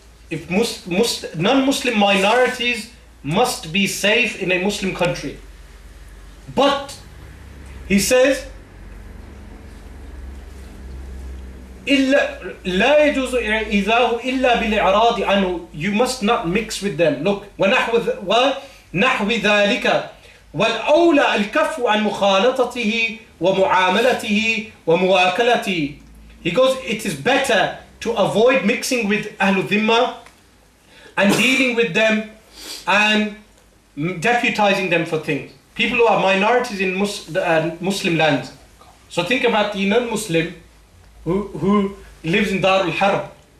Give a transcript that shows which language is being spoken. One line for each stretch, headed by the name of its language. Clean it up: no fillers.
English: If non-Muslim minorities must be safe in a Muslim country. But, he says,
Arabic: لَا يَجُوزُ إِذَاءُ إِلَّا بِالْإِعْرَاضِ عَنْهُ
English: You must not mix with them.
Arabic: Look, وَنَحْوِ ذَلِكَ والأولى الكف عن مخالطته ومعاملته ومواكلته.
English: He goes, it is better to avoid mixing with Ahlul Dhimma and dealing with them and deputizing them for things. People who are minorities in Muslim lands. So think about the non-Muslim who lives in Darul Harb.